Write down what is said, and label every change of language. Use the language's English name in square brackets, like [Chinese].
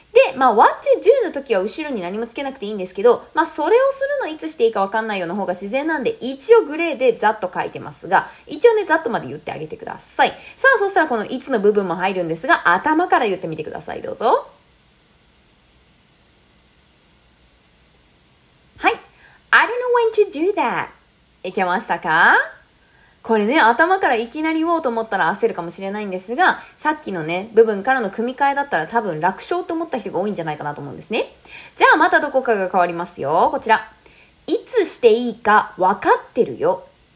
[Japanese] で、まあ [English] what to do [Japanese] の時は後ろに何もつけなくていいんですけど、まあそれをするのいつしていいかわかんないよの方が自然なんで、一応グレーでざっと書いてますが、一応ねざっとまで言ってあげてください。さあそしたらこのいつの部分も入るんですが、頭から言ってみてください。どうぞ。 [English] はい、 I don't know when to do that。 [Japanese] いけましたか？これね、頭からいきなり言おうと思ったら焦るかもしれないんですが、さっきのね部分からの組み替えだったら多分楽勝と思った人が多いんじゃないかなと思うんですね。じゃあまたどこかが変わりますよ。こちら、いつしていいか分かってるよ。